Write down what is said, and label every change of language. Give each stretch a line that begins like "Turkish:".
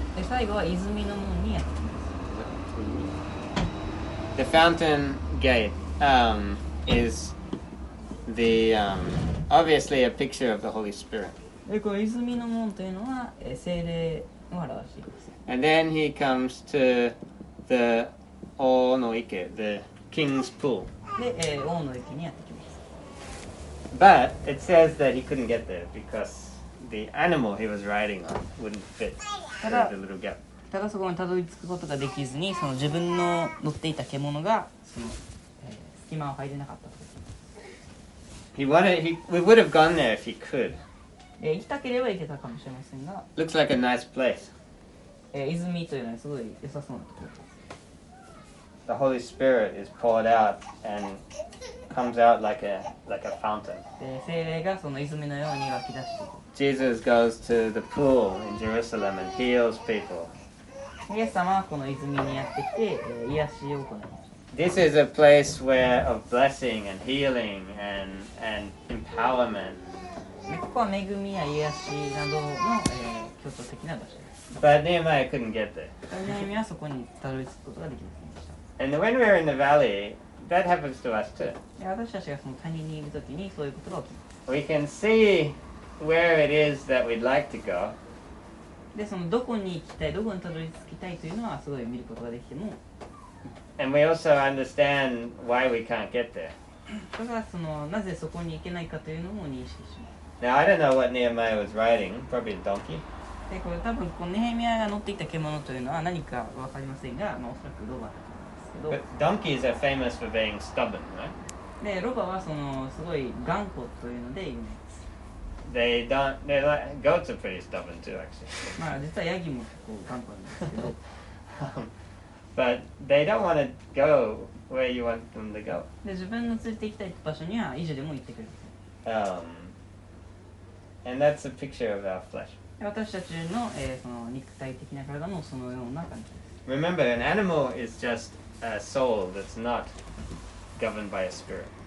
Japanese: 最後は泉の門にやってきます。
English: The fountain gate is the obviously a picture of the Holy Spirit.
Japanese: で、この泉の門というのは聖霊を表しています。
English: And then he comes to the
Japanese: 大の池,
English: the king's pool.
Japanese: で、王の池にやってきます。
English: But it says that he couldn't get there because the animal he was riding on wouldn't fit the little gap.
Japanese: ただそこにたどり着くことができずに、その自分の乗っていた獣がその、隙間を入れなかったと。
English: We would have gone there if he could.
Japanese: 行きたければ行けたかもしれませんが。
English: Looks like a nice place.
Japanese: 泉というのはすごい良さそうなところ。
English: The Holy Spirit is poured out and comes out like a fountain.
Japanese: 聖霊がその泉のように湧き出していく。
English: Jesus goes to the pool in Jerusalem and heals people.
Japanese: イエス様はこの泉にやってきて、癒しを行います。
English: This is a place where of blessing and healing and empowerment
Japanese: ね、ここは恵みや癒しなどの、共通的な場所です。
English: But Nehemiah couldn't get there.
Japanese: Nehemiah はそこにたどり着くことができませんでした。
English: And when we are in the valley, that happens to us too.
Japanese: 私たちがその谷にいるときにそういうことが起きます。
English: We can see where it is that we'd like to go.
Japanese: で、そのどこに行きたい、どこにたどり着きたいというのはすごい見ることができても。
English: And we also understand why we can't get there.
Japanese: だからそのなぜそこに行けないかというのも認識します。
English: Now I don't know what Nehemiah was riding, probably a donkey.
Japanese: で、これ多分このネヘミヤが乗っていた獣というのは何かわかりませんが、まあおそらくロバだと思うんですけど。
English: But donkeys are famous for being stubborn, right?
Japanese: で、ロバはそのすごい頑固というので有名です。
English: They don't. They like goats are pretty stubborn too, actually.
Japanese: まあ実はヤギも結構頑固なんですけど。
English: But they don't want to go where you want them to go.
Japanese: で、自分の連れて行きたい場所には以上でも行ってくれる。
English: And that's a picture of our flesh.
Japanese: 私たちの、その肉体的な体もそのような感じです。
English: Remember, an animal is just a soul that's not governed by a spirit.